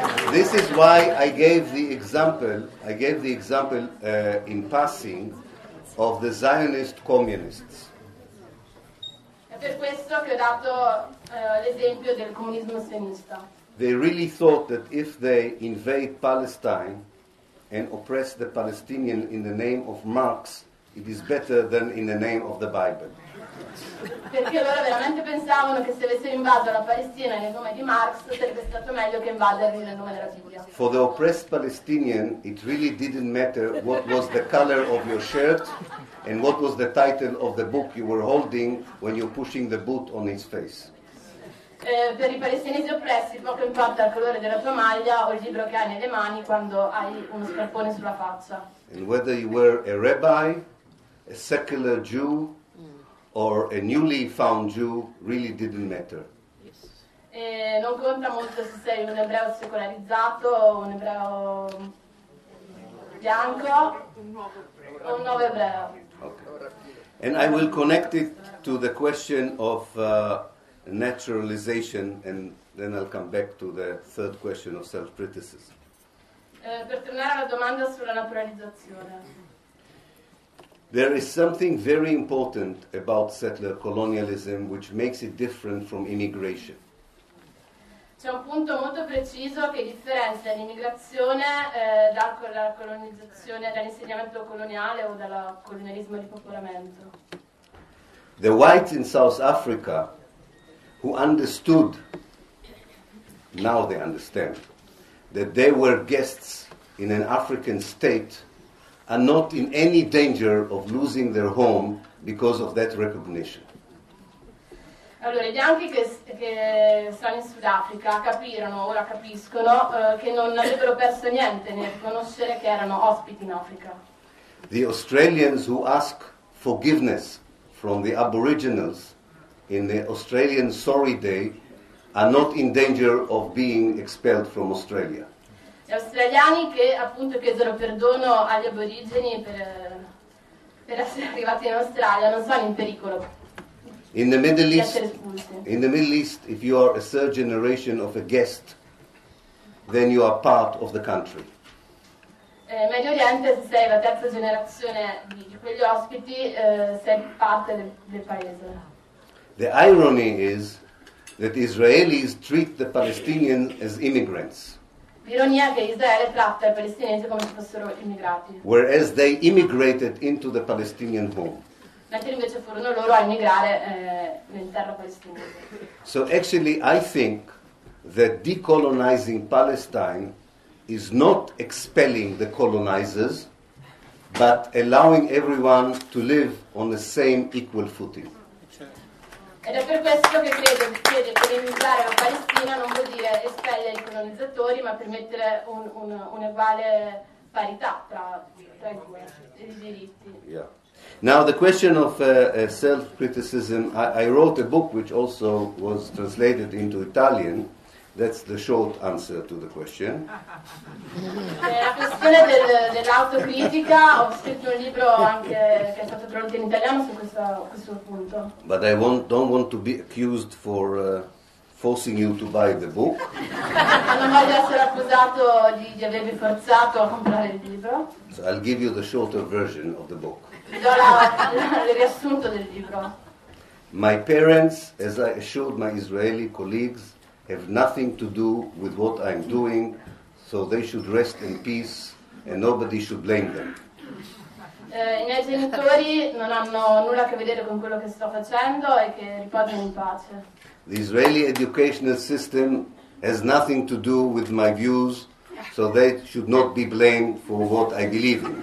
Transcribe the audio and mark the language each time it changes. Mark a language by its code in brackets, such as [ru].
[en] This is why I gave the example in passing of the Zionist communists. [it] È per questo che ho dato l'esempio del comunismo sionista. [en] They really thought that if they invade Palestine and oppress the Palestinian in the name of Marx, it is better than in the name of the Bible. [it] Perché loro veramente pensavano che se avessero invaso la Palestina nel nome di Marx sarebbe stato meglio che invaderli nel nome della Bibbia. [en] For the oppressed Palestinian, it really didn't matter what was the color of your shirt and what was the title of the book you were holding when you're pushing the boot on his face. [it] per i palestinesi oppressi poco importa il colore della tua maglia o il libro che hai nelle mani quando hai uno scarpone sulla faccia. [en] And whether you were a rabbi, a secular Jew, or a newly found Jew, really didn't matter. [it] Non conta molto se sei un ebreo secolarizzato, un ebreo bianco, o un nuovo ebreo. [en] Okay. And I will connect it to the question of naturalization, and then I'll come back to the third question of self-criticism. [it] Per tornare alla domanda sulla naturalizzazione. [en] There is something very important about settler colonialism which makes it different from immigration. [it] C'è un punto molto preciso che differenzia l'immigrazione dalla colonizzazione, dall'insediamento coloniale o dal colonialismo di popolamento. [en] The whites in South Africa who understood, now they understand, that they were guests in an African state are not in any danger of losing their home because of that recognition. [it] Allora, i bianchi che sono in Sudafrica capirono, ora capiscono, che non avrebbero perso niente nel conoscere che erano ospiti in Africa. [en] The Australians who ask forgiveness from the Aboriginals in the Australian Sorry Day are not in danger of being expelled from Australia. [it] Gli australiani che appunto chiedono perdono agli aborigeni per essere arrivati in Australia non sono in pericolo. [en] In the Middle East, if you are a third generation of a guest, then you are part of the country. [it] Medio Oriente, se sei la terza generazione di quegli ospiti, sei parte del paese. [en] The irony is that Israelis treat the Palestinians as immigrants. [it] L'ironia è che Israele tratta i palestinesi come se fossero immigrati. [en] Whereas they immigrated into the Palestinian home. [it] Mentre invece furono loro a immigrare nel terra palestinese. [en] So actually I think that decolonizing Palestine is not expelling the colonizers, but allowing everyone to live on the same equal footing. [it] Ed è per questo che credo che colonizzare la Palestina non vuol dire espellere i colonizzatori, ma permettere un'eguale parità tra i due, i diritti. [en] Yeah. Now the question of self-criticism, I wrote a book which also was translated into Italian. That's the short answer to the question. [it] La questione dell'autocritica, ho scritto un libro anche che è stato tradotto in italiano su questo punto. [en] But I don't want to be accused for forcing you to buy the book. [it] Non voglio essere accusato di avervi forzato a comprare il libro. [en] So I'll give you the shorter version of the book. [it] Vi do il riassunto del libro. [en] My parents, as I assured my Israeli colleagues, have nothing to do with what I'm doing, so they should rest in peace and nobody should blame them. [it] I miei genitori non hanno nulla a che vedere con quello che sto facendo e che riposano in pace. [en] The Israeli educational system has nothing to do with my views, so they should not be blamed for what I believe in.